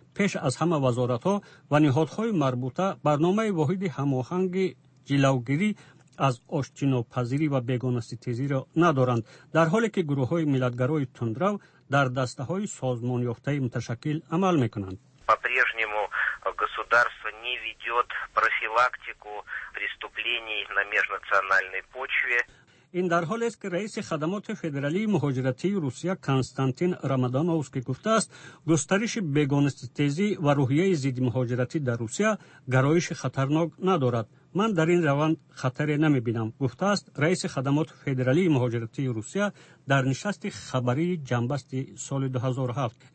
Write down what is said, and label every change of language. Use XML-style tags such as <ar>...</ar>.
<fa>پیش از همه وزارت ها و نهادهای مربوطه برنامه واحد هماهنگ جلوگیری از آشتیناپذیری و بیگانه ستیزی را ندارند، در حالی که گروه های ملتگرای تندرو در دسته های سازمان یافته متشکل عمل میکنند.</fa> <ru>По-прежнему государство не ведет профилактику преступлений на межнациональной почве.</ru> <fa>این در حال است که رئیس خدمات فدرالی مهاجرتی روسیه کنستانتین رمضانوفسکی گفته است گسترش بیگانه ستیزی و روحیه ضد مهاجرتی در روسیه گرایش خطرناک ندارد. من در این روند خطری نمی بینم. گفته است رئیس خدمات فدرالی مهاجرتی روسیه در نشست خبری جنبست سال 2007.</fa>